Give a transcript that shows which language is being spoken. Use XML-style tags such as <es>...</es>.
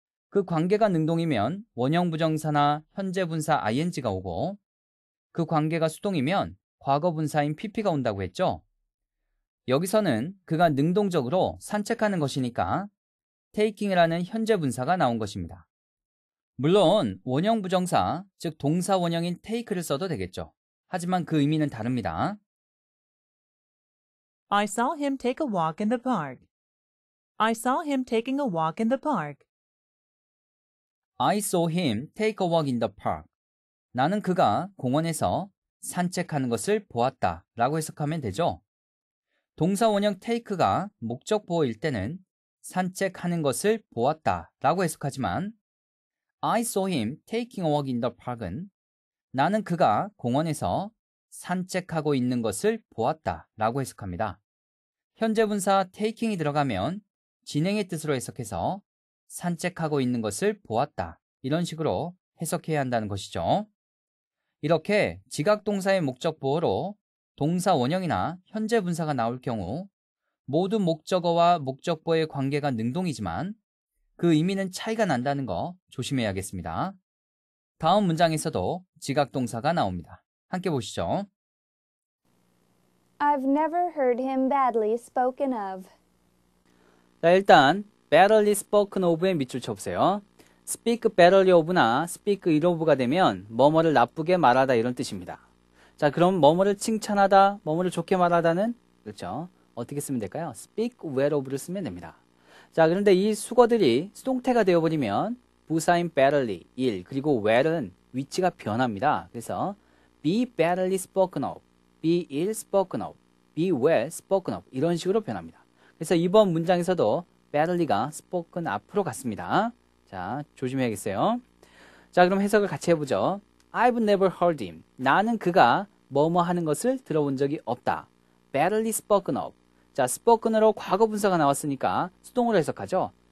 <ko>그 관계가 능동이면 원형부정사나 현재분사 ing가 오고 그 관계가 수동이면 과거분사인 pp가 온다고 했죠. 여기서는 그가 능동적으로 산책하는 것이니까 taking이라는 현재분사가 나온 것입니다. 물론 원형부정사, 즉 동사원형인 take를 써도 되겠죠. 하지만 그 의미는 다릅니다.</ko> <en>I saw him take a walk in the park. I saw him taking a walk in the park. I saw him take a walk in the park.</en> <ko>나는 그가 공원에서 산책하는 것을 보았다 라고 해석하면 되죠. 동사원형 take가 목적보호일 때는 산책하는 것을 보았다 라고 해석하지만</ko> <en>I saw him taking a walk in the park</en> <ko>은 나는 그가 공원에서 산책하고 있는 것을 보았다 라고 해석합니다. 현재분사 taking이 들어가면 진행의 뜻으로 해석해서 산책하고 있는 것을 보았다 이런 식으로 해석해야 한다는 것이죠. 이렇게 지각동사의 목적보호로 동사 원형이나 현재분사가 나올 경우 모두 목적어와 목적보호의 관계가 능동이지만 그 의미는 차이가 난다는 거 조심해야겠습니다. 다음 문장에서도 지각동사가 나옵니다. 함께 보시죠.</ko> <en>I've never heard him badly spoken of.</en> <ko>자, 일단 badly spoken of의 밑줄 쳐보세요. speak badly of나 speak ill of가 되면 뭐뭐를 나쁘게 말하다 이런 뜻입니다. 자, 그럼 뭐뭐를 칭찬하다, 뭐뭐를 좋게 말하다는 그렇죠. 어떻게 쓰면 될까요? speak well of를 쓰면 됩니다. 자, 그런데 이 수거들이 수동태가 되어버리면 부사인 badly, ill, 그리고 well은 위치가 변합니다.</ko> <en>그래서 be badly spoken of, be ill spoken of, be well spoken of</en> <ko>이런 식으로 변합니다. 그래서 이번 문장에서도 badly가 spoken 앞으로 갔습니다. 자, 조심해야겠어요. 자, 그럼 해석을 같이 해보죠.</ko> <en>I've never heard him.</en> <ko>나는 그가 뭐뭐 하는 것을 들어본 적이 없다.</ko> <en>Badly spoken of.</en> <ko>자, spoken으로 과거분사가 나왔으니까 수동으로 해석하죠.</ko>